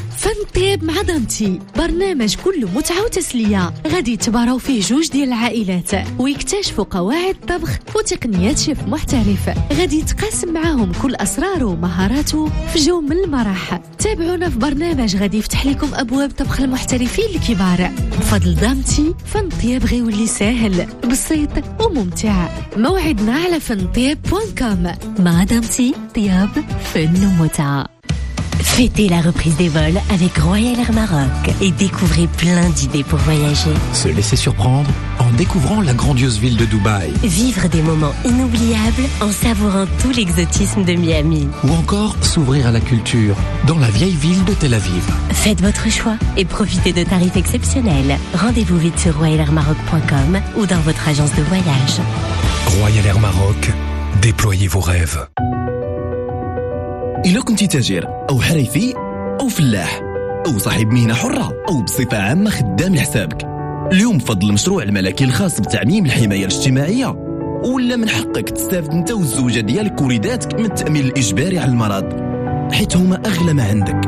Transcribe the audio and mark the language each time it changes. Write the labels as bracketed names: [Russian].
[Arabic] فن طيب مع دامتي برنامج كله متعة وتسلية، غادي تباراو فيه جوج ديال العائلات ويكتشفوا قواعد طبخ وتقنيات شيف محترف، غادي تقاسم معاهم كل أسراره ومهاراته في جو من المرح. تابعونا في برنامج غادي يفتح لكم أبواب طبخ المحترفين الكبار. بفضل دامتي فن طيب غيولي سهل بسيط وممتع. موعدنا على fantyeb.com. [French] Madame T, Tiab, fais-nous mota. Fêtez la reprise des vols avec Royal Air Maroc et découvrez plein d'idées pour voyager. Se laisser surprendre en découvrant la grandiose ville de Dubaï. Vivre des moments inoubliables en savourant tout l'exotisme de Miami. Ou encore s'ouvrir à la culture dans la vieille ville de Tel Aviv. Faites votre choix et profitez de tarifs exceptionnels. Rendez-vous vite sur royalairmaroc.com ou dans votre agence de voyage. Royal Air Maroc, déployez vos rêves. [Arabic] إلا كنتي تاجر أو حريفي أو فلاح أو صاحب مهنة حرة أو بصفة عامة خدام لحسابك، اليوم فضل المشروع الملكي الخاص بتعميم الحماية الاجتماعية، ولا من حقك تستافد انت والزوجة ديالك وليداتك من التأمين الإجباري على المرض، حيت هما أغلى ما عندك.